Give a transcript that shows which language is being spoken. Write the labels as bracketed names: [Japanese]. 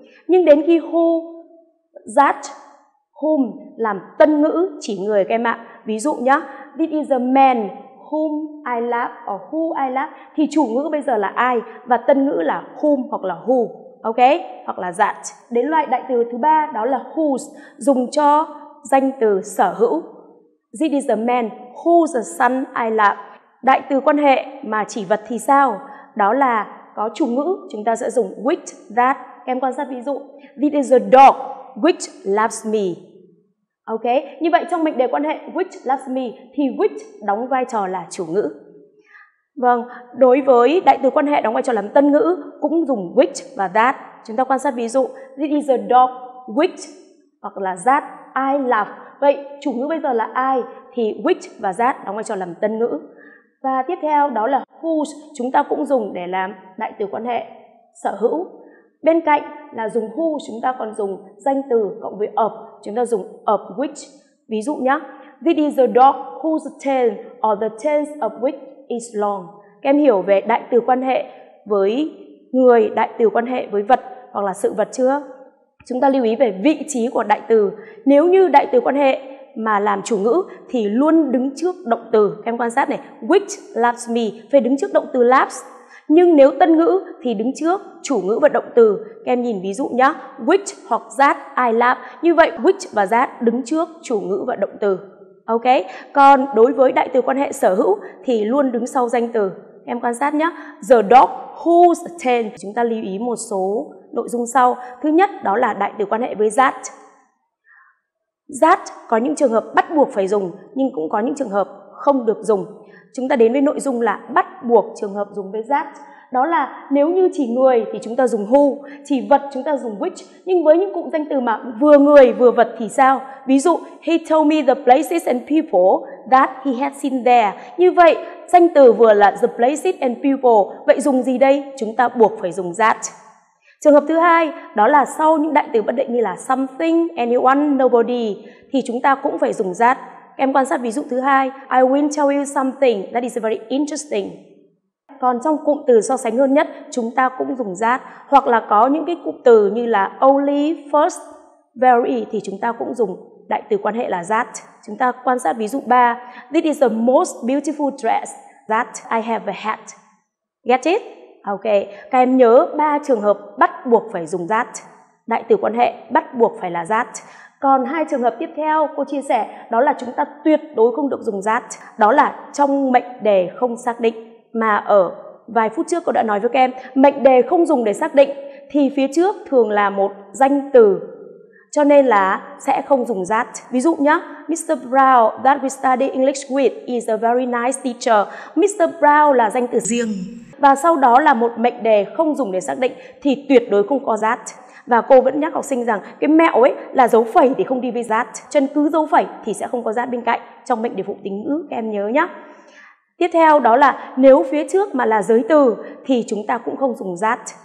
[Vietnamese] Nhưng đến khi who, that, whom làm tân ngữ chỉ người các em ạ. Ví dụ nhá, [English] this is a man whom I love or who I love [Vietnamese] thì chủ ngữ bây giờ là ai và tân ngữ là whom hoặc là who. Ok, hoặc là that. Đến loại đại từ thứ ba đó là whose, dùng cho danh từ sở hữu. [English] This is the man whose son I love. [Vietnamese] Đại từ quan hệ mà chỉ vật thì sao? Đó là có chủ ngữ, chúng ta sẽ dùng which, that. Em quan sát ví dụ. [English] This is a dog which loves me. [Vietnamese] Ok, như vậy trong mệnh đề quan hệ which loves me thì which đóng vai trò là chủ ngữ. Vâng, đối với đại từ quan hệ đóng vai trò làm tân ngữ cũng dùng which và that. Chúng ta quan sát ví dụ. [English] This is a dog which [Vietnamese] hoặc là [English] that I love. [Vietnamese] Vậy chủ ngữ bây giờ là I thì which và that đóng vai trò làm tân ngữ. Và tiếp theo đó là whose, chúng ta cũng dùng để làm đại từ quan hệ sở hữu. Bên cạnh là dùng who, chúng ta còn dùng danh từ cộng với of, chúng ta dùng of which. Ví dụ nhé, [English] this is a dog whose tail or the tail of which is long. [Vietnamese] Các em hiểu về đại từ quan hệ với người, đại từ quan hệ với vật hoặc là sự vật chưa? Chúng ta lưu ý về vị trí của đại từ. Nếu như đại từ quan hệ mà làm chủ ngữ thì luôn đứng trước động từ. Em quan sát này, [English] which loves me [Vietnamese] phải đứng trước động từ loves. Nhưng nếu tân ngữ thì đứng trước chủ ngữ và động từ. Em nhìn ví dụ nhé, which hoặc that I love. Như vậy which và that đứng trước chủ ngữ và động từ. Ok, còn đối với đại từ quan hệ sở hữu thì luôn đứng sau danh từ. Em quan sát nhé, [English] the dog whose tail. [Vietnamese] Chúng ta lưu ý một số nội dung sau. Thứ nhất đó là đại từ quan hệ với that. That có những trường hợp bắt buộc phải dùng, nhưng cũng có những trường hợp không được dùng. Chúng ta đến với nội dung là bắt buộc trường hợp dùng với that. Đó là nếu như chỉ người thì chúng ta dùng who, chỉ vật chúng ta dùng which. Nhưng với những cụm danh từ mà vừa người vừa vật thì sao? Ví dụ, [English] he told me the places and people that he had seen there. [Vietnamese] Như vậy, danh từ vừa là the places and people. Vậy dùng gì đây? Chúng ta buộc phải dùng that. Trường hợp thứ hai, đó là sau những đại từ bất định như là something, anyone, nobody thì chúng ta cũng phải dùng that. Em quan sát ví dụ thứ hai, [English] I will tell you something that is very interesting. [Vietnamese] Còn trong cụm từ so sánh hơn nhất, chúng ta cũng dùng that. Hoặc là có những cái cụm từ như là only, first, very thì chúng ta cũng dùng đại từ quan hệ là that. Chúng ta quan sát ví dụ 3, [English] this is the most beautiful dress that I have had. Get it? [Vietnamese] Ok, các em nhớ 3 trường hợp bắt buộc phải dùng that. Đại từ quan hệ bắt buộc phải là that. Còn 2 trường hợp tiếp theo cô chia sẻ, đó là chúng ta tuyệt đối không được dùng that. Đó là trong mệnh đề không xác định. Mà ở vài phút trước cô đã nói với các em, mệnh đề không dùng để xác định thì phía trước thường là một danh từ, cho nên là sẽ không dùng that. Ví dụ nhé, Mr. [English] Brown that we study English with is a very nice teacher. Mr. [Vietnamese] Brown là danh từ riêng và sau đó là một mệnh đề không dùng để xác định thì tuyệt đối không có that. Và cô vẫn nhắc học sinh rằng cái mẹo ấy là dấu phẩy thì không đi với that, chân cứ dấu phẩy thì sẽ không có that bên cạnh trong mệnh đề phụ tính ngữ, các em nhớ nhé. Tiếp theo đó là nếu phía trước mà là giới từ thì chúng ta cũng không dùng that.